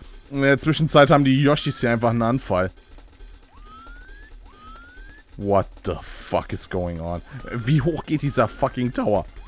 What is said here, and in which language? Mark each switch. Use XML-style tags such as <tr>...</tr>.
<de>In der Zwischenzeit haben die Yoshis hier einfach einen Anfall.</de> <en>What the fuck is going on?</en> <de>Wie hoch geht dieser fucking Tower?</de>